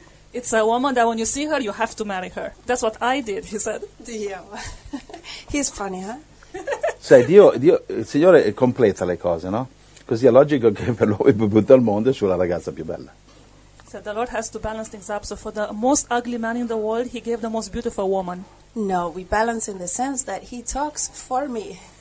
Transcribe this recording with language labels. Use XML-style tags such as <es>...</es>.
<en>It's a woman that when you see her, you have to marry her. That's what I did, he said. Dio. He's funny, huh?</en> <it>Sai, Dio, il Signore completa le cose, no? Così è logico che per lui butta il mondo sulla ragazza più bella.</it> <en>So the Lord has to balance things up. So for the most ugly man in the world, he gave the most beautiful woman. No, we balance in the sense that he talks for me.</en>